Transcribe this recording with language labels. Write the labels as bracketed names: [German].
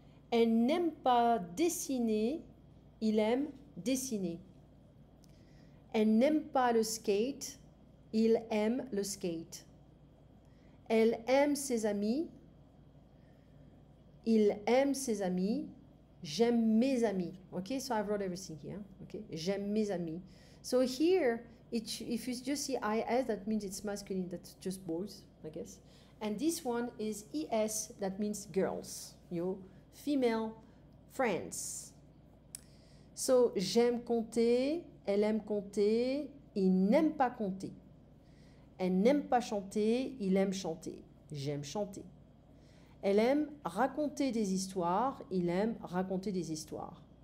[French] Elle n'aime pas dessiner, il aime dessiner. Elle n'aime pas le skate, il aime le skate. Elle aime ses amis, il aime ses amis. J'aime mes amis. [English] Ok, so I've wrote everything here. [French] Ok, j'aime mes amis. [English] So here, if you just see IS, that means it's masculine, that's just boys, I guess. And this one is ES, that means girls, female friends. [French] So, j'aime compter, elle aime compter, il n'aime pas compter. Elle n'aime pas chanter, il aime chanter. J'aime chanter. Elle aime raconter des histoires, il aime raconter des histoires.